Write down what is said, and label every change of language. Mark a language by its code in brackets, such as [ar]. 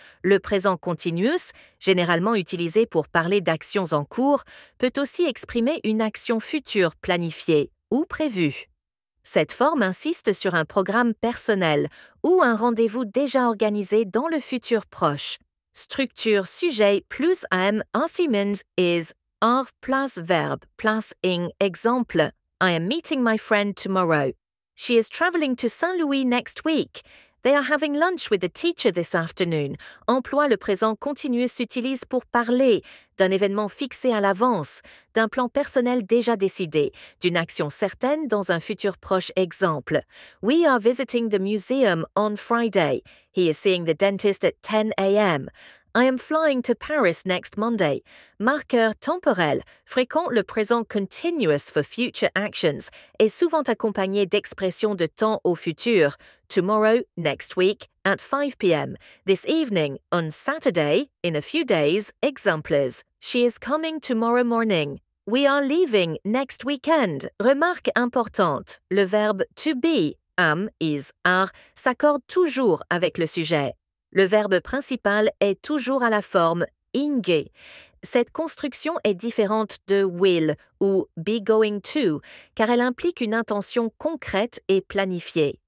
[fr] Le présent continuous, généralement utilisé pour parler d'actions en cours, peut aussi exprimer une action future planifiée ou prévue. Cette forme insiste sur un programme personnel ou un rendez-vous déjà organisé dans le futur proche. Structure sujet plus am assumed is are plus verb plus ing. Exemple. [en] I am meeting my friend tomorrow. She is traveling to Saint-Louis next week. They are having lunch with the teacher this afternoon. [fr] Emploi le présent continuous s'utilise pour parler d'un événement fixé à l'avance, d'un plan personnel déjà décidé, d'une action certaine dans un futur proche. Exemple. [en] We are visiting the museum on Friday. He is seeing the dentist at 10 a.m. I am flying to Paris next Monday. [fr] Marqueur temporel, fréquent le présent continuous [en] for future actions, [fr] est souvent accompagné d'expressions de temps au futur. [en] Tomorrow, next week, at 5 p.m. This evening, on Saturday, in a few days, exemples. She is coming tomorrow morning. We are leaving next weekend. [fr] Remarque importante, le verbe to be, am, is, are, s'accorde toujours avec le sujet. Le verbe principal est toujours à la forme « inge ». Cette construction est différente de « will » ou « be going to » car elle implique une intention concrète et planifiée.